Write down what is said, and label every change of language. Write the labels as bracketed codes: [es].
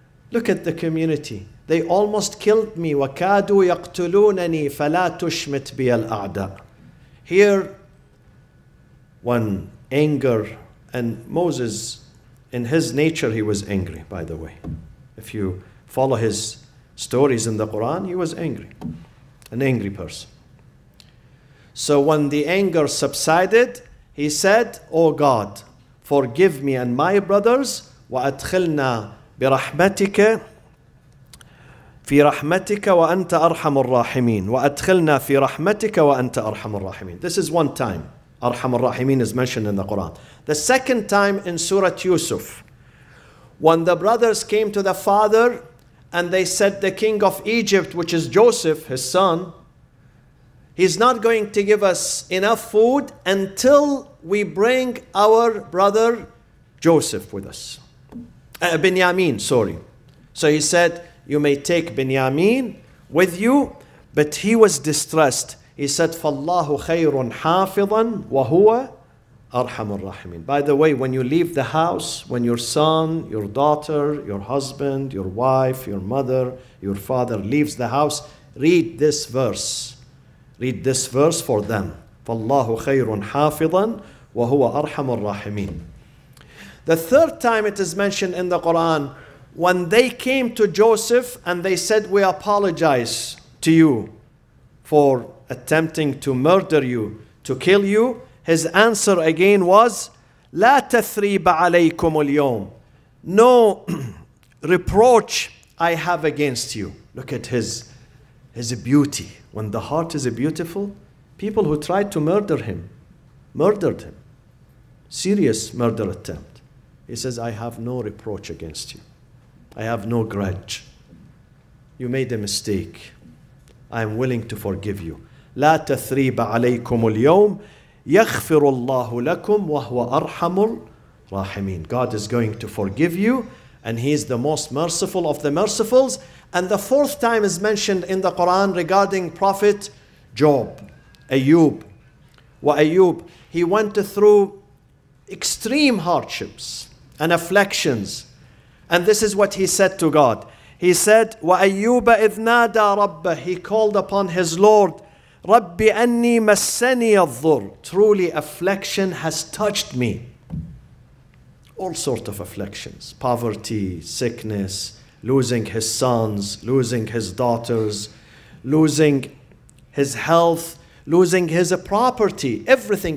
[en] Look at the community. They almost killed me. [ar] وَكَادُوا يَقْتُلُونَنِي فَلَا تُشْمِتْ بِيَ الْأَعْدَى [en] Here, when anger and Moses, in his nature, he was angry, by the way. If you follow his stories in the Quran, he was angry. An angry person. So when the anger subsided, he said, Oh God, forgive me and my brothers, [ar] وأدخلنا برحمتك في رحمتك وأنت أرحم الراحمين وأدخلنا في رحمتك وأنت أرحم الراحمين. [en] This is one time. [ar] أرحم الراحمين [en] is mentioned in the Quran. The second time in Surah Yusuf, when the brothers came to the father and they said, the king of Egypt, which is Joseph, his son, he's not going to give us enough food until we bring our brother Joseph with us. Binyamin, sorry. So he said, you may take Binyamin with you, but he was distressed. He said, [ar] فَاللَّهُ خَيْرٌ حَافِظًا وَهُوَ أَرْحَمُ الرَّحِمِينَ. [en] By the way, when you leave the house, when your son, your daughter, your husband, your wife, your mother, your father leaves the house, read this verse. Read this verse for them. [ar] فَاللَّهُ خَيْرٌ حَافِظًا وَهُوَ أَرْحَمُ الرَّحِمِينَ. [en] The third time it is mentioned in the Quran, when they came to Joseph and they said, we apologize to you for attempting to murder you, to kill you, his answer again was, [ar] لا تثريب عليكم اليوم. [en] No reproach I have against you. Look at his beauty. When the heart is beautiful, people who tried to murder him, murdered him. Serious murder attempt. He says, I have no reproach against you. I have no grudge. You made a mistake. I am willing to forgive you. [ar] لا تثريب عليكم اليوم يغفر الله لكم وهو أرحم الراحمين. [en] God is going to forgive you and he is the most merciful of the mercifuls. And the fourth time is mentioned in the Quran regarding Prophet Job, Ayyub. وأيوب, he went through extreme hardships and afflictions. And this is what he said to God. He said, [ar] وأيوب إذ نادى ربه, [en] he called upon his Lord, [ar] ربي أني مسني الضر. [en] Truly affliction has touched me. All sorts of afflictions. Poverty, sickness, losing his sons, losing his daughters, losing his health, losing his property. Everything.